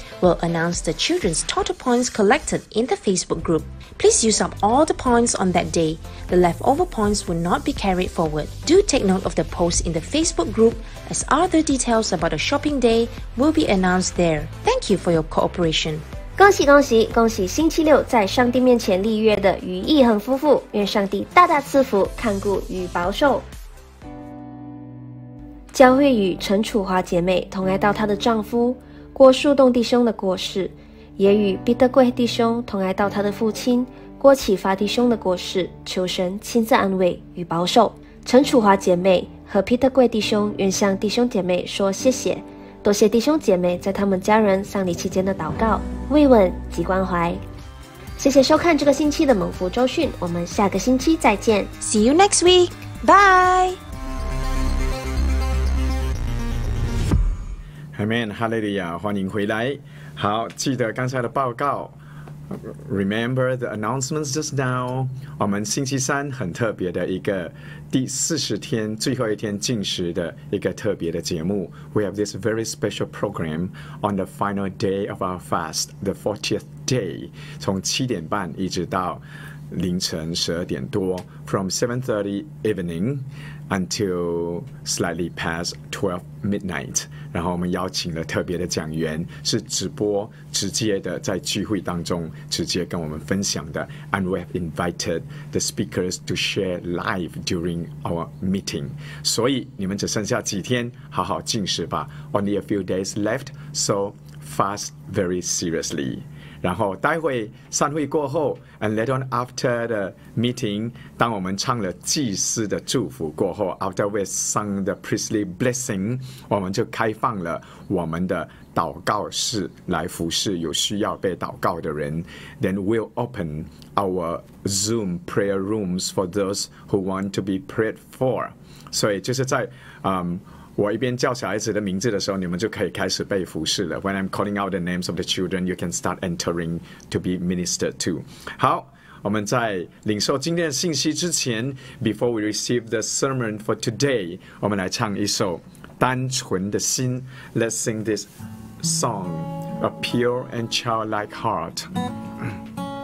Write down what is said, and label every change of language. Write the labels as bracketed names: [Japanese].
[English] We'll announce the children's total points collected in the Facebook group. Please use up all the points on that day. The leftover points will not be carried forward. Do take note of the post in the Facebook group, as other details about the shopping day will be announced there. Thank you for your cooperation. [Chinese] 恭喜恭喜恭喜星期六在上帝面前立约的于义恒夫妇，愿上帝大大赐福，看顾与保守。教会与陈楚华姐妹同爱到她的丈夫郭树栋弟兄的过世，也与彼得贵弟兄同爱到他的父亲郭启发弟兄的过世，求神亲自安慰与保守。陈楚华姐妹和彼得贵弟兄愿向弟兄姐妹说谢谢，多谢弟兄姐妹在他们家人丧礼期间的祷告、慰问及关怀。谢谢收看这个星期的蒙福周讯，我们下个星期再见。 [English] See you next week. Bye. Amen. Hallelujah. [Chinese] 欢迎回来。好，记得刚才的报告。 [English] Remember the announcements just now. [Chinese] 我们星期三很特别的一个第四十天最后一天禁食的一个特别的节目。 [English] We have this very special program on the final day of our fast, the 40th day. [Chinese] 从七点半一直到凌晨十二点多 [English] ，from 7:30 evening until slightly past 12 midnight。 [Chinese] 然后我们邀请了特别的讲员，是直播直接的，在聚会当中直接跟我们分享的。 [English] And we have invited the speakers to share live during our meeting。 [Chinese] 所以你们只剩下几天，好好进食吧。 [English] Only a few days left, so fast very seriously。 [Chinese] 然后待会散会过后 ， [English] and later on after the meeting， [Chinese] 当我们唱了祭司的祝福过后 ， [English] after we sung the priestly blessing， [Chinese] 我们就开放了我们的祷告室来服侍有需要被祷告的人。 [English] Then we'll open our Zoom prayer rooms for those who want to be prayed for。 [Chinese] 所以就是在我一边叫小孩子的名字的时候，你们就可以开始被服侍了。 [English] When I'm calling out the names of the children, you can start entering to be ministered to. [Chinese] 好，我们在领受今天的信息之前 ， [English] before we receive the sermon for today， [Chinese] 我们来唱一首《单纯的心》。 [English] Let's sing this song, A Pure and Childlike Heart.